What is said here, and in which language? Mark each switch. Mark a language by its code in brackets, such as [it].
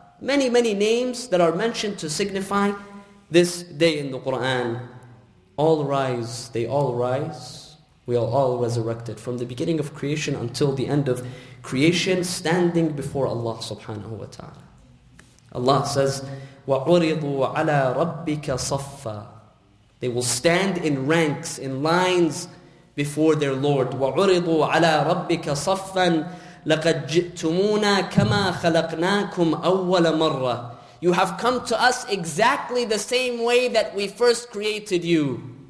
[en] Many, many names that are mentioned to signify this day in the Qur'an. All rise, they all rise. We are all resurrected from the beginning of creation until the end of creation, standing before Allah subhanahu wa ta'ala. Allah says, [ar] وَعُرِضُوا عَلَىٰ رَبِّكَ صَفَّا. [en] They will stand in ranks, in lines before their Lord. [ar] وَعُرِضُوا عَلَىٰ رَبِّكَ صَفًّا لَقَدْ جِئْتُمُونَا كَمَا خَلَقْنَاكُمْ أَوَّلَ مَرَّةٍ. [en] You have come to us exactly the same way that we first created you.